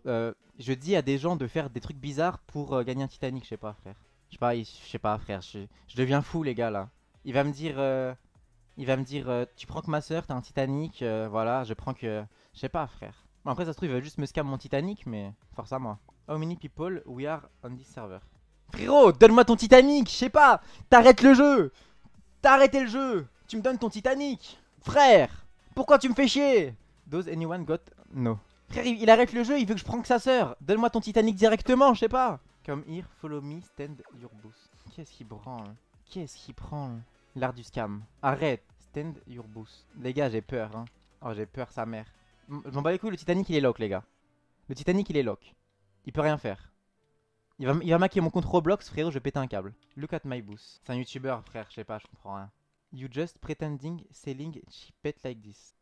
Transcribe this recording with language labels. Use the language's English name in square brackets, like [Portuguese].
[French] Je dis à des gens de faire des trucs bizarres pour gagner un Titanic, je sais pas, frère. Je sais pas, frère. Je deviens fou, les gars, là. Il va me dire. Tu prends que ma soeur, t'as un Titanic. Voilà, je prends que. Je sais pas, frère. Bon, après, ça se trouve, il va juste me scam mon Titanic, mais. Force à moi. [English] How many people we are on this server? [French] Frérot, donne-moi ton Titanic, je sais pas. T'arrêtes le jeu. T'as arrêté le jeu. Tu me donnes ton Titanic. Frère, pourquoi tu me fais chier? [English] Does anyone got no? [French] Frère, il arrête le jeu, il veut que je prenne que sa sœur. Donne-moi ton Titanic directement, je sais pas. [English] Come here, follow me, stand your boost. [French] Qu'est-ce qu'il prend? Qu'est-ce qu'il prend? L'art du scam. Arrête, [English] stand your boost. [French] Les gars, j'ai peur, hein. Oh, j'ai peur, sa mère. Je m'en bats les couilles, le Titanic il est lock, les gars. Le Titanic il est lock. Il peut rien faire. Il va maquiller mon compte Roblox, frérot, je vais péter un câble. [English] Look at my boost. [French] C'est un youtubeur, frère, je sais pas, je comprends rien. [English] You just pretending selling cheap pet like this.